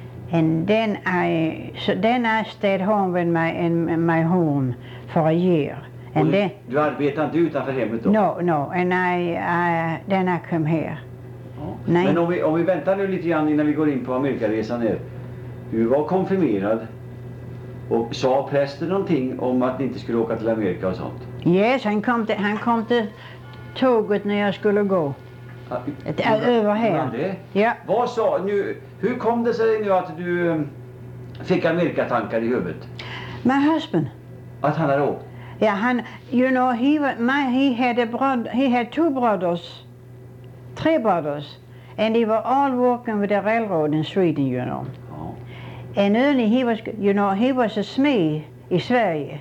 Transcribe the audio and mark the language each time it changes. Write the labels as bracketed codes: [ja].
[en] And then I stayed home with my home for a year. And then [sv] du arbetade inte utanför hemmet då? [en] No, and I then I come here. [sv] Ja. Men om vi väntar nu lite grann innan vi går in på Amerikaresan här. Du var konfirmerad och sa prästen någonting om att ni inte skulle åka till Amerika och sånt? Yes, han kom till tåget när jag skulle gå. Över här. Men det? Ja. Vad sa nu? Hur kom det sig nu att du fick Amerikatankar i huvudet? [en] My husband. [sv] Att han hade åkt? [en] Ja, han, you know, he had two brothers. Tre brothers. And they were all working with the railroad in Sweden, you know. [sv] Ja. [en] And only he was, you know, he was a [sv] smed i Sverige.